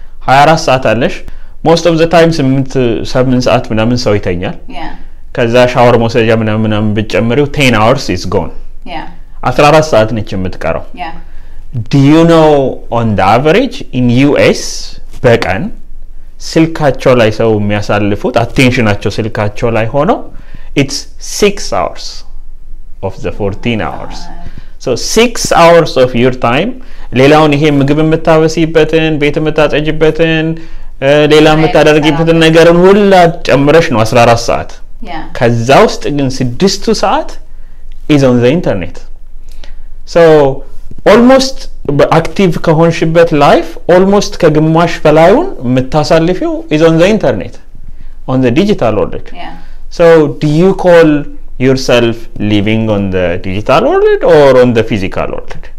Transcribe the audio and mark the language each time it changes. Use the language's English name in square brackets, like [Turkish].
[Amharic] 24 ሰዓት አለሽ [English] most of the time [Amharic] 8 ሰዓት ምናምን ሰው ይተኛል። [English] Yeah. [Amharic] ከዛ ሻወር መውሰድ ምናምን ብጨምሪው [English] 10 hours is gone. Yeah. [Amharic] 14 ሰዓት ነች የምትቀረው። [English] Yeah. Do you know on the average in US [Amharic] በቀን ስልካቸው ላይ ሰው የሚያሳልፉት አቴንሽናቸው ስልካቸው ላይ ሆኖ [English] it's 6 hours of the 14 hours. So 6 hours of your time [Amharic] ሌላውን ይሄ ምግብ መታበሲበትን ቤት መታጠጅበትን ሌላ መታደርግበትን ነገርን ሁሉ ጨምረሽ ነው 14 ሰዓት። ከዛ ውስጥ ግን 6ቱ ሰዓት [English] is on the internet. So almost active [Amharic] ከሆንሽበት [English] life almost [Amharic] ከግማሽ በላይውን መታሳልፊው [English] is on the internet on the digital world. Yeah. So do you call yourself living on the digital world or on the physical world?